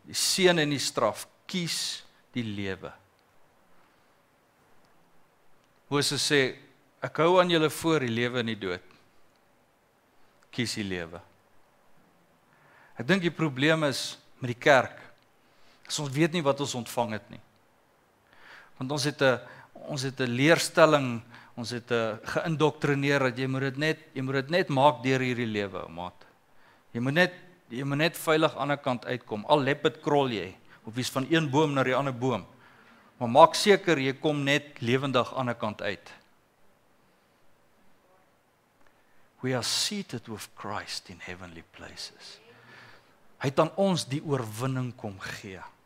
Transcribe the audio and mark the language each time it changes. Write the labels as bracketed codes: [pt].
[af] Die seën en die straf, kies die lewe. Moses sê, ek hou aan julle voor die lewe en die dood. Kies die lewe. Ek dink die probleem is met die kerk, as ons weet nie wat ons ontvang het nie. Want ons het een leerstelling, ons het geïndoctrineer, dat jy moet het net maak deur hierdie lewe, maat. Jy moet net veilig aan die kant uitkom, al leopard crawl jy, of wees van een boom naar die ander boom, maar maak seker, jy kom net levendig aan die kant uit. [en] We are seated with Christ in heavenly places. [af] Hy het aan ons die oorwinning kom gee.